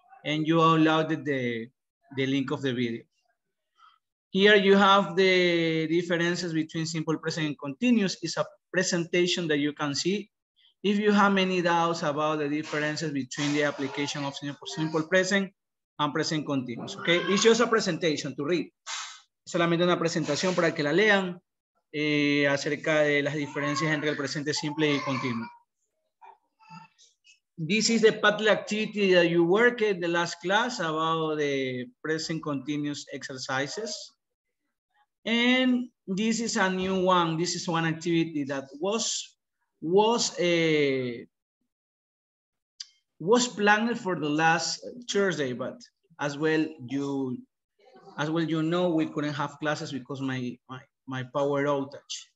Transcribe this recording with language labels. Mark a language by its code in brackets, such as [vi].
[en] And you uploaded the link of the video. Here you have the differences between simple present and continuous. It's a presentation that you can see. If you have many doubts about the differences between the application of simple present and present continuous, okay? It's just a presentation to read. [es] Solamente una presentación para que la lean acerca de las diferencias entre el presente simple y continuo. [en] This is the Padlet activity that you worked in the last class about the present continuous exercises. And this is a new one. This is one activity that was planned for the last Thursday, but as well you know, we couldn't have classes because my power outage.